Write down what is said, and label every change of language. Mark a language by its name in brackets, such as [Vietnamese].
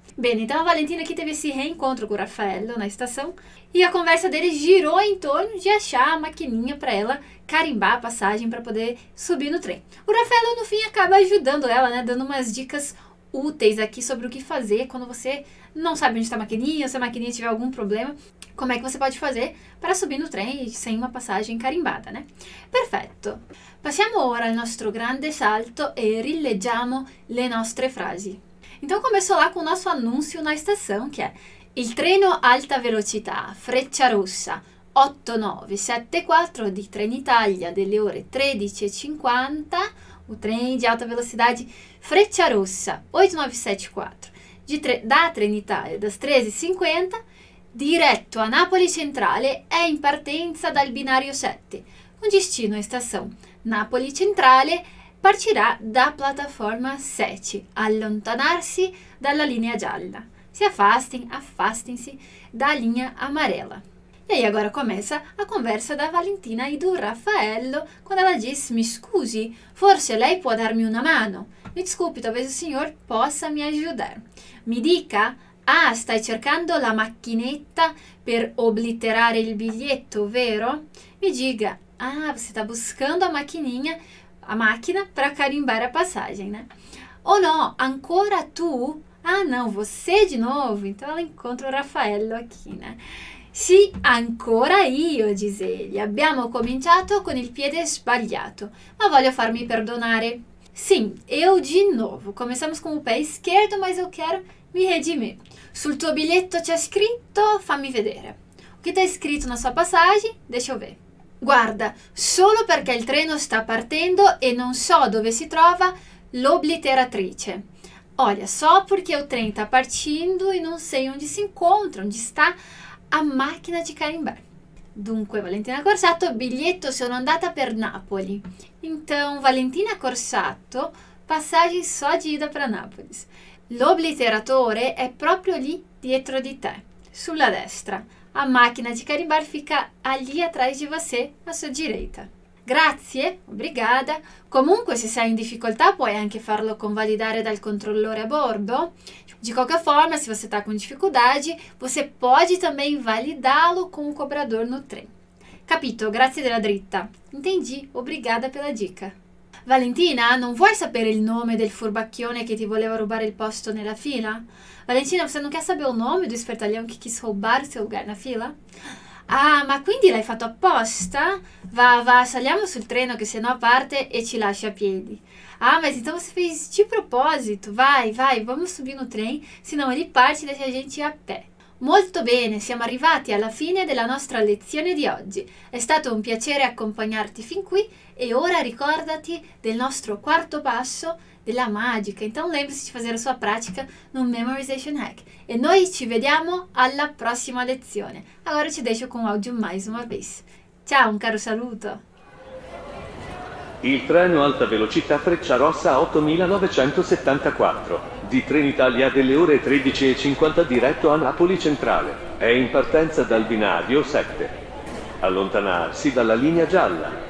[Portuguese] Bene, então a Valentina aqui teve esse reencontro com o Raffaello na estação e a conversa dele girou em torno de achar a maquininha para ela carimbar a passagem para poder subir no trem. O Raffaello, no fim, acaba ajudando ela, né? Dando umas dicas úteis aqui sobre o que fazer quando você não sabe onde está a maquininha, ou se a maquininha tiver algum problema, como é que você pode fazer para subir no trem sem uma passagem carimbada, né? Perfeito! [Italian] Passiamo ora al nostro grande salto e rileggiamo le nostre frasi. [Portuguese] Então começou lá com o nosso anúncio na estação, que é: [Italian] il treno alta velocità, freccia rossa, 8974 di Trenitalia, delle ore 13:50, [Portuguese] o trem de alta velocidade, freccia rossa, 8974, [Italian] da Trenitalia, das 13:50, diretto a Napoli Centrale, è in partenza dal binario 7, [Portuguese] con destino a estação Napoli Centrale, partirà da plataforma 7, [Italian] allontanarsi dalla linea gialla. [Portuguese] Se afastem, afastem-se da linha amarela. E aí agora começa a conversa da Valentina e do Raffaello, quando ela diz: [Italian] mi scusi, forse lei può darmi una mano? [Portuguese] Mi desculpe, talvez o senhor possa me ajudar. [Italian] Mi dica, ah, stai cercando la macchinetta per obliterare il biglietto, vero? [Portuguese] Mi diga, ah, você está buscando a maquininha, a máquina para carimbar a passagem, né? Ou não, [Italian] ancora tu? [Portuguese] Ah, não, você de novo? Então ela encontra o Raffaello aqui, né? [Italian] Sì, ancora io, [Portuguese] diz ele. [Italian] Abbiamo cominciato con il piede sbagliato, ma voglio farmi perdonare. [Portuguese] Sim, eu de novo. Começamos com o pé esquerdo, mas eu quero me redimir. [Italian] Sul tuo biglietto c'è scritto, fammi vedere. [Portuguese] O que está escrito na sua passagem? Deixa eu ver. [Italian] Guarda, solo perché il treno sta partendo e non so dove si trova l'obliteratrice. [Portuguese] Olha, só porque o trem está partindo e não sei onde se encontra, onde está a máquina de carimbar. [Italian] Dunque, Valentina Corsato, biglietto sono andata per Napoli. [Portuguese] Então, Valentina Corsato, passagem só de ida para Nápoles. [Italian] L'obliteratore è proprio lì dietro di te, sulla destra. [Portuguese] A máquina de carimbar fica ali atrás de você, à sua direita. [Italian] Grazie, [Portuguese] obrigada. [Italian] Comunque, se sei in difficoltà, puoi anche farlo convalidare dal controllore a bordo. [Portuguese] De qualquer forma, se você está com dificuldade, você pode também validá-lo com o cobrador no trem. [Italian] Capito, grazie della dritta. [Portuguese] Entendi, obrigada pela dica. [Italian] Valentina, non vuoi sapere il nome del furbacchione che ti voleva rubare il posto nella fila? [Portuguese] Valentina, você não quer saber o nome do espertalhão que quis roubar o seu lugar na fila? [Italian] Ah, ma quindi l'hai fatto apposta? Va, va, saliamo sul treno che sennò parte e ci lascia a piedi. [Portuguese] Ah, mas então você fez de propósito. Vai, vai, vamos subir no trem, senão ele parte e deixa a gente a pé. [Italian] Molto bene, siamo arrivati alla fine della nostra lezione di oggi. È stato un piacere accompagnarti fin qui e ora ricordati del nostro quarto passo della magica. [Portuguese] Então lembre-se [Italian] di fare la sua pratica no Memorization Hack. E noi ci vediamo alla prossima lezione. Ora ci [Portuguese] deixo [Italian] con audio [Portuguese] mais uma vez. [Italian] Ciao, un caro saluto! Il treno alta velocità freccia rossa 8974 di Trenitalia delle ore 13:50 diretto a Napoli Centrale è in partenza dal binario 7. Allontanarsi dalla linea gialla.